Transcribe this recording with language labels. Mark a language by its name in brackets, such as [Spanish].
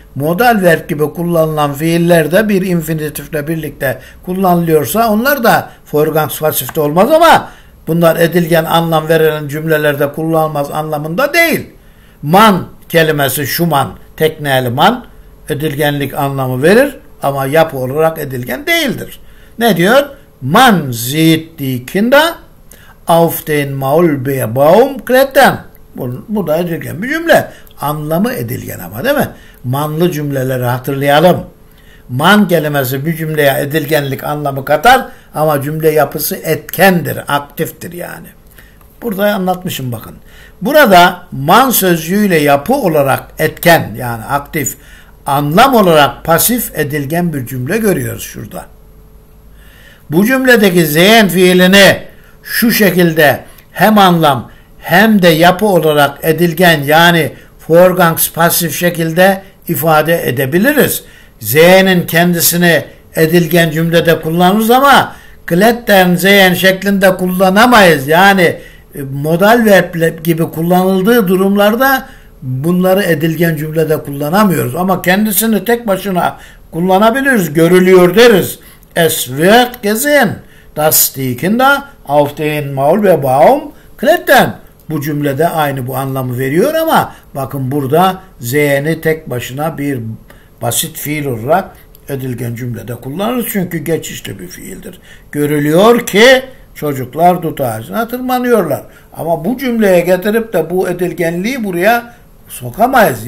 [Turkish] Modal verb gibi kullanılan fiiller de bir infinitifle birlikte kullanılıyorsa onlar da forgangs pasifte olmaz ama bunlar edilgen anlam veren cümlelerde kullanılmaz anlamında değil. Man kelimesi şuman, tekneli man edilgenlik anlamı verir ama yapı olarak edilgen değildir. Ne diyor? [German] Man sieht die Kinder auf den Maulbeerbaum klettern. [Turkish] Bu da edilgen bir cümle. Anlamı edilgen ama değil mi? Manlı cümleleri hatırlayalım. Man kelimesi bir cümleye edilgenlik anlamı katar ama cümle yapısı etkendir, aktiftir yani. Burada anlatmışım bakın. Burada man sözcüğüyle yapı olarak etken yani aktif, anlam olarak pasif edilgen bir cümle görüyoruz şurada. Bu cümledeki zeyn fiilini şu şekilde hem anlam hem de yapı olarak edilgen yani forgangs pasif şekilde ifade edebiliriz. Zeyn'in kendisini edilgen cümlede kullanırız ama kletten zeyn şeklinde kullanamayız. Yani modal verb gibi kullanıldığı durumlarda bunları edilgen cümlede kullanamıyoruz. Ama kendisini tek başına kullanabiliriz. Görülüyor deriz. [German] Es wird gesehen, dass die Kinder auf den Maulbeerbaum klettern. [Turkish] Bu cümlede aynı bu anlamı veriyor ama bakın burada zeyni tek başına bir basit fiil olarak edilgen cümlede kullanırız. Çünkü geçişli bir fiildir. Görülüyor ki çocuklar dut ağacına tırmanıyorlar. Ama bu cümleye getirip de bu edilgenliği buraya sokamayız.